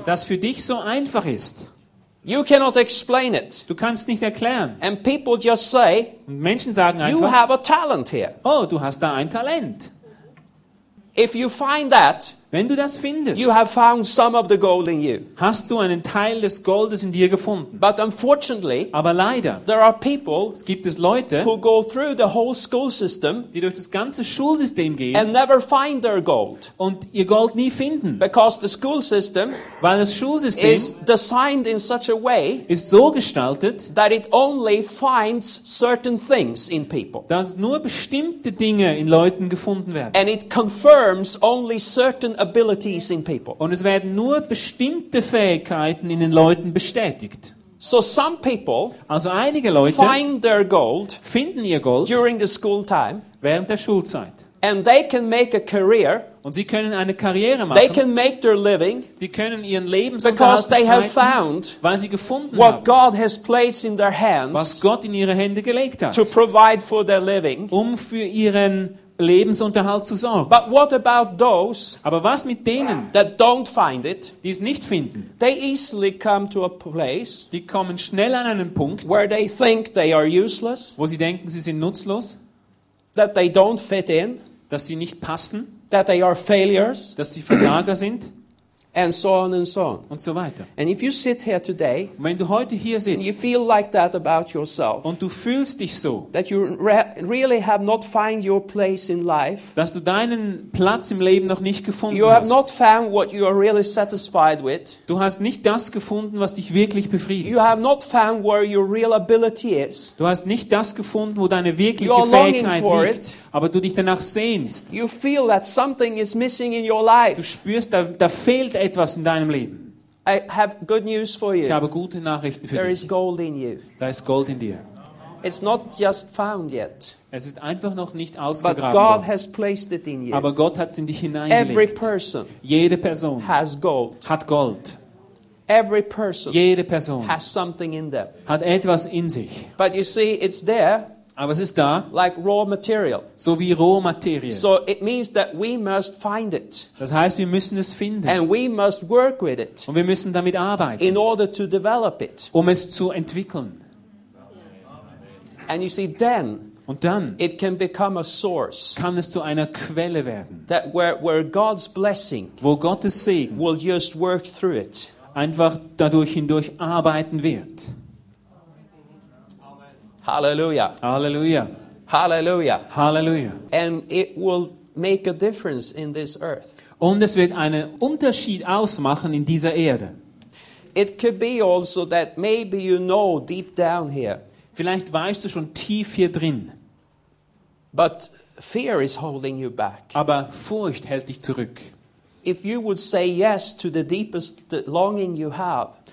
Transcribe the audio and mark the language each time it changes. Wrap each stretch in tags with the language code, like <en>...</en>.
<de>Das für dich so einfach ist.</de> <en>You cannot explain it.</en> <de>Du kannst nicht erklären.</de> <en>And people just say,</en> <de>Menschen sagen einfach,</de> <en>you have a talent here.</en> <de>Oh, du hast da ein Talent.</de> <en>If you find that,</en> <de>wenn du das findest,</de> <en>you have found some of the gold in you.</en> <de>Hast du einen Teil des Goldes in dir gefunden.</de> <en>But unfortunately,</en> <de>aber leider,</de> <en>there are people,</en> <de>es gibt es Leute,</de> <en>who go through the whole school system,</en> <de>die durch das ganze Schulsystem gehen,</de> <en>and never find their gold,</en> <de>und ihr Gold nie finden,</de> <en>because the school system,</en> <de>weil das Schulsystem,</de> <en>is designed in such a way,</en> <de>ist so gestaltet,</de> <en>that it only finds certain things in people,</en> <de>dass nur bestimmte Dinge in Leuten gefunden werden,</de> <en>and it confirms only certain abilities in people.</en> <de>Und es werden nur bestimmte Fähigkeiten in den Leuten bestätigt.</de> <en>So some people,</en> <de>also einige Leute,</de> <en>find their gold,</en> <de>finden ihr Gold</de> <en>during the school time,</en> <de>während der Schulzeit.</de> <en>And they can make a career,</en> <de>und sie können eine Karriere machen.</de> <en>They can make their living,</en> <de>die können ihren Lebensunterhalt,</de> <en>because they have found,</en> <de>weil sie gefunden</de> <en>what</en> <de>haben,</de> <en>God has placed in their hands,</en> <de>was Gott in ihre Hände gelegt hat,</de> <en>to provide for their living,</en> <de>um für ihren Lebensunterhalt zu sorgen.</de> <en>But what about those,</en> <de>aber was mit denen,</de> <en>that don't find it,</en> <de>die es nicht finden?</de> <en>They easily come to a place,</en> <de>die kommen schnell an einen Punkt,</de> <en>where they think they are useless,</en> <de>wo sie denken, sie sind nutzlos,</de> <en>that they don't fit in,</en> <de>dass sie nicht passen,</de> <en>that they are failures,</en> <de>dass sie Versager sind,</de> <en>and so on and so on.</en> <de>Und so weiter.</de> <en>And if you sit here today,</en> <de>wenn du heute hier sitzt,</de> <en>and you feel like that about yourself,</en> <de>und du fühlst dich so,</de> <en>that you really have not found your place in life,</en> <de>dass du deinen Platz im Leben noch nicht gefunden hast,</de> <en>you have not found what you are really satisfied with,</en> <de>du hast nicht das gefunden, was dich wirklich befriedigt,</de> <en>you have not found where your real ability is,</en> <de>du hast nicht das gefunden, wo deine wirkliche Fähigkeit liegt, aber du dich danach sehnst,</de> <en>you feel that something is missing in your life,</en> <de>du spürst, da fehlt etwas in deinem Leben.</de> <en>I have good news for you.</en> <de>Ich habe gute Nachrichten für</de> <en>there</en> <de>dich.</de> <en>Is gold in you.</en> <de>Da ist Gold in dir.</de> <en>It's not just found yet.</en> <de>Es ist einfach noch nicht ausgegraben.</de> <en>But God has placed it in you.</en> <de>Aber Gott hat es in dich hineingelegt.</de> <en>Every person,</en> <de>jede Person</de> <en>has gold.</en> <de>Hat Gold.</de> <en>Every person,</en> <de>jede Person</de> <en>has something in them.</en> <de>Hat etwas in sich.</de> <en>But you see, it's there,</en> <de>aber es ist da,</de> <en>like raw material,</en> <de>so wie Rohmaterie.</de> <en>So it means that we must find it.</en> <de>Das heißt, wir müssen es finden.</de> <en>And we must work with it.</en> <de>Und wir müssen damit arbeiten.</de> <en>In order to develop it.</en> <de>Um es zu entwickeln.</de> <en>And you see, then,</en> <de>und dann,</de> <en>it can become a source,</en> <de>kann es zu einer Quelle werden,</de> <en>that where God's blessing,</en> <de>wo Gottes Segen,</de> <en>will just work through it,</en> <de>einfach dadurch hindurch arbeiten wird. Hallelujah. Hallelujah. Hallelujah. Hallelujah.</de> <en>And it will make a difference in this earth.</en> <de>Und es wird einen Unterschied ausmachen in dieser Erde.</de> <en>It could be also that maybe you know deep down here.</en> <de>Vielleicht weißt du schon tief hier drin.</de> <en>But fear is holding you back.</en> <de>Aber Furcht hält dich zurück.</de> <en>If you would say yes to the deepest longing you have.</en>